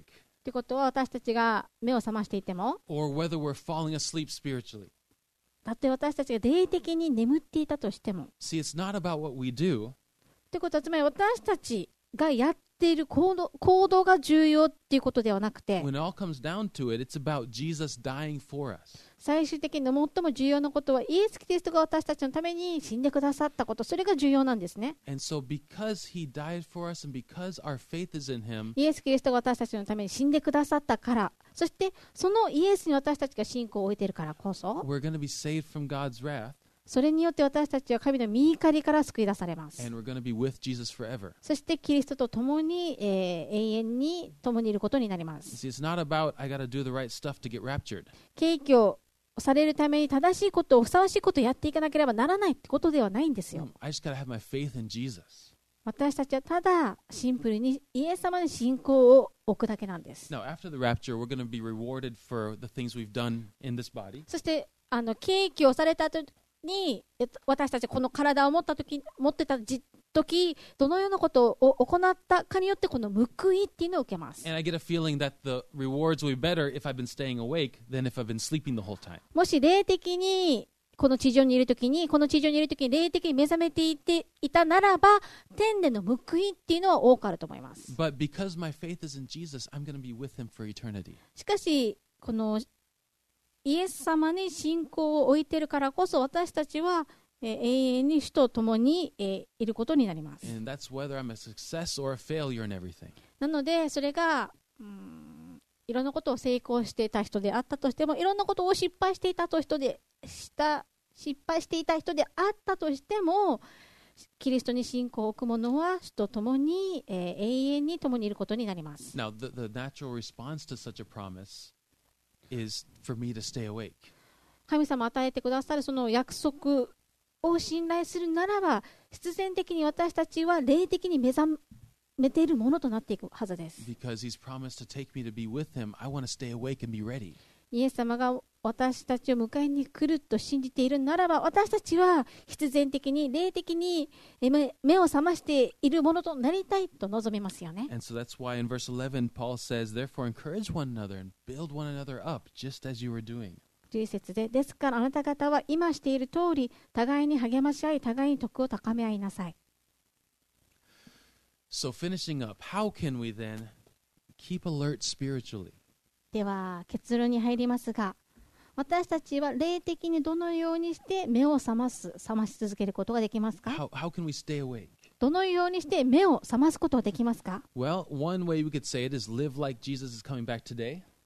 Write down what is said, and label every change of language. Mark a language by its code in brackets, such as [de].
[ja] ってことは私たちが目を覚ましていても、 [en] or whether we're falling asleep spiritually [ja] だって私たちが霊的に眠っていたとしても、 [en] See, it's not about what we do [ja] ってことは、つまり私たちがやっている行動が重要っていうことではなくて、 [en] When it all comes down to it, it's about Jesus dying for us. [ja] 最終的に最も重要なことはイエス・キリストが私たちのために死んでくださったこと、それが重要なんですね。 [en] And so because he died for us and because our faith is in him, [ja] イエス・キリストが私たちのために死んでくださったから、そしてそのイエスに私たちが信仰を置いているからこそ、 [en] We're going to be saved from God's wrath. [ja] それによって私たちは神の御怒りから救い出されます。そしてキリストと共に、永遠に共にいることになります。 [en] See, it's not about, I gotta do the right stuff to get raptured. [ja] 敬虔されるために正しいこと、ふさわしいことをやっていかなければならないってことではないんですよ。 [en] I just gotta have my faith in Jesus. [ja] 私たちはただシンプルにイエス様に信仰を置くだけなんです。 [en] Now, after the rapture, we're gonna be rewarded for the things we've done in this body. [ja] そして敬虔された後に私たちこの体を持ってた時どのようなことを行ったかによってこの報いっていうのを受けます。 [en] And I get a feeling that the rewards will be better if I've been staying awake than if I've been sleeping the whole time. [ja] もし霊的にこの地上にいるときに、この地上にいるときに霊的に目覚めていていたならば、天での報いっていうのは多くあると思います。 [en] But because my faith is in Jesus, I'm going to be with him for eternity. [ja] しかし、このイエス様に信仰を置いているからこそ、私たちは永遠に主と共にいることになります。 [en] And that's whether I'm a success or a failure in everything. [ja] なので、それが、いろんなことを成功していた人であったとしても、いろんなことを失敗していたと人で、した失敗していた人であったとしても、キリストに信仰を置く者は主と共に、永遠に共にいることになります。 [en] Now, the natural response to such a promise is for me to stay awake. [ja] 神様与えてくださるその約束を信頼するならば、必然的に私たちは霊的に目覚め、めているものとなっていくはずです。 [en] Because he's promised to take me to be with him, I want to stay awake and be ready. [ja] イエス様が私たちを迎えに来ると信じているならば、私たちは必然的に霊的に目を覚ましているものとなりたいと望みますよね。 [en] And so that's why in verse 11, Paul says, therefore encourage one another and build one another up, just as you were doing. [ja] 11節で、ですからあなた方は今している通り、互いに励まし合い、互いに徳を高め合いなさい。 [en] So finishing up, how can we then keep alert spiritually? [ja] では結論に入りますが、私たちは霊的にどのようにして目を覚ます、覚まし続けることができますか？ [en] How can we stay awake? [ja] どのようにして目を覚ますことができますか？ [en] Well, one way we could say it is live like Jesus is coming back today.